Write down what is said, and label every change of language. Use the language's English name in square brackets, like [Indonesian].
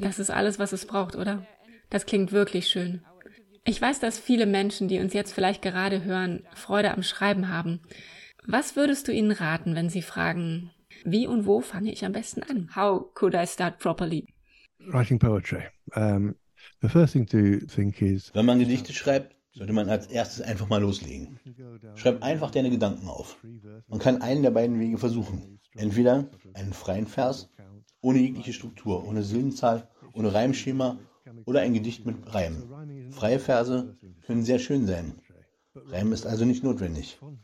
[German] Das ist alles, was es braucht, oder? Das klingt wirklich schön. Ich weiß, dass viele Menschen, die uns jetzt vielleicht gerade hören, Freude am Schreiben haben. Was würdest du ihnen raten, wenn sie fragen, wie und wo fange ich am besten an? [English] How could I start properly? Writing poetry. The first thing to think is, [German] wenn man Gedichte schreibt, sollte man als erstes einfach mal loslegen. Schreib einfach deine Gedanken auf. Man kann einen der beiden Wege versuchen. Entweder einen freien Vers, ohne jegliche Struktur, ohne Silbenzahl, ohne Reimschema oder ein Gedicht mit Reim. Freie Verse können sehr schön sein. Reim ist also nicht notwendig.